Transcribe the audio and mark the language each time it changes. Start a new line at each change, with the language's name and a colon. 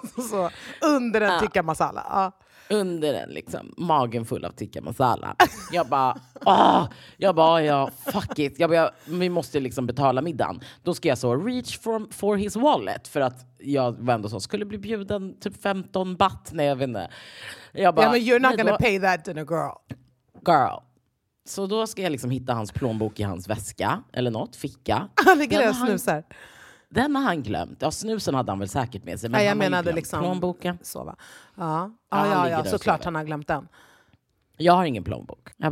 Swedish: Så under en tikka masala. Ja. Under den liksom magen full av tikka masala. Jag bara
English: fuck it.
Swedish: Jag bara, vi måste liksom betala middagen. Då ska jag så
English: reach for his wallet,
Swedish: för att jag var ändå så skulle bli bjuden typ 15 baht när jag vinner.
English: Jag bara, yeah, you're not gonna pay that dinner, girl. Girl.
Swedish: Så då ska jag liksom hitta hans plånbok i hans väska eller något, ficka. Han ligger där och snusar. Den har han glömt. Ja, snusen hade han väl säkert med sig. Men ja, jag menade liksom plånboken. Så va? Ja, såklart han har glömt den. Jag har ingen plånbok. Jag